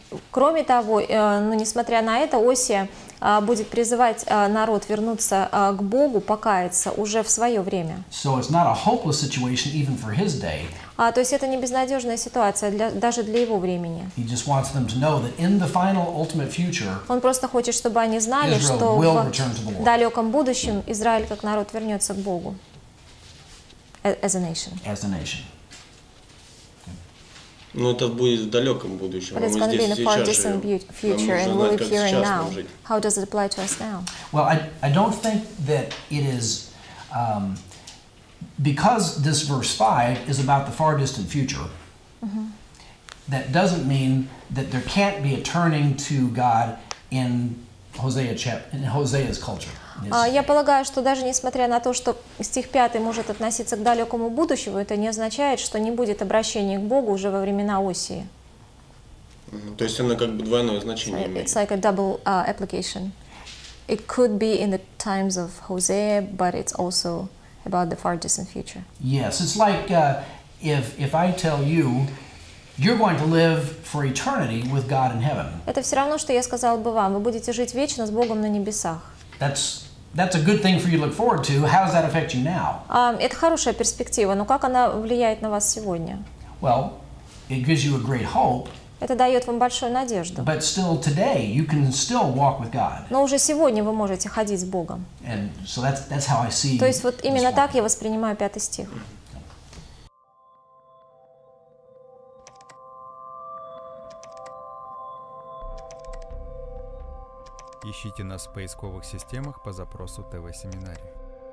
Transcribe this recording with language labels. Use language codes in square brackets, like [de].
[ru] Кроме того, несмотря на это, Осия будет призывать народ вернуться к Богу, покаяться уже в свое время. [en] So it's not a hopeless situation even for his day. [ru] То есть это не безнадежная ситуация даже для его времени. [en] He just wants them to know that in the final ultimate future. [ru] Он просто хочет, чтобы они знали, что в далеком будущем Израиль как народ вернется к Богу. [en] As a nation. As a nation. [ru] Но это будет в далеком будущем. [en] But it's going to be in the far distant future, and we'll live here and now. How does it apply to us now? Well, I don't think that it is because this verse 5 is about the far distant future. Mm-hmm. That doesn't mean that there can't be a turning to God in Hosea's culture. [ru] Я полагаю, что даже несмотря на то, что стих 5 может относиться к далекому будущему, это не означает, что не будет обращения к Богу уже во времена Осии. То есть оно как бы двойное значение имеет. [en] It's like a double application. It could be in the times of Hosea, but it's also about the far distant future. Yes, it's like if I tell you, you're going to live for eternity with God in heaven. [ru] Это все равно, что я сказал бы вам, вы будете жить вечно с Богом на небесах. [en] That's a good thing for you to look forward to. How does that affect you now? [ru] Это хорошая перспектива, но как она влияет на вас сегодня? [en] Well, it gives you a great hope. [ru] Это дает вам большую надежду. [en] But still today, you can still walk with God. [ru] Но уже сегодня вы можете ходить с Богом. [en] And so that's how I see. [ru] То есть вот именно так я воспринимаю пятый стих. Ищите нас в поисковых системах по запросу ТВ-семинария.